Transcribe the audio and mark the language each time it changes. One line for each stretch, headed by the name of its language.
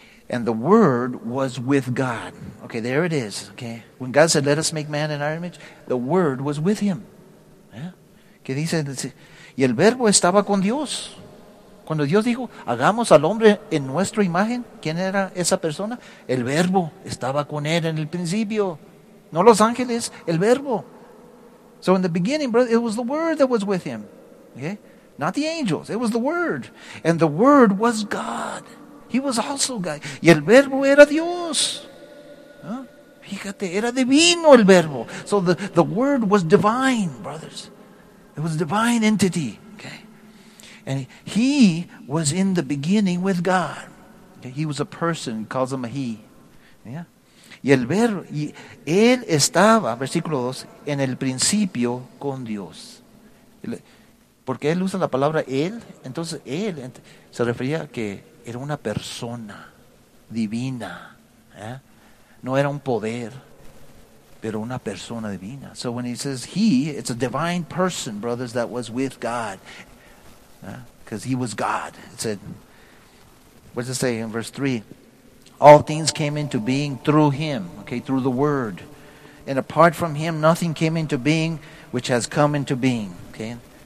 English: And the Word was with God. Okay, there it is. Okay, when God said, let us make man in our image, the Word was with him.
Spanish: ¿Qué dice? Y el Verbo estaba con Dios. Cuando Dios dijo, hagamos al hombre en nuestra imagen, ¿quién era esa persona? El Verbo estaba con él en el principio. No los ángeles, el Verbo.
English: So in the beginning, brother, it was the Word that was with him. Okay? Not the angels. It was the Word. And the Word was God. He was also God.
Spanish: Y el Verbo era Dios. Fíjate, era divino el Verbo.
English: So the Word was divine, brothers. It was a divine entity. Okay. And he was in the beginning with God. Okay. He was a person. He calls him a he. Yeah.
Spanish: Y el ver, y él estaba, versículo 2, en el principio con Dios. Porque él usa la palabra él, entonces él se refería a que era una persona divina. ¿Eh? No era un poder, pero una persona divina.
English: So when he says he, it's a divine person, brothers, that was with God. Because he was God. It said, what does it say in verse 3? All things came into being through him, okay, through the word. And apart from him, nothing came into being which has come into being, okay?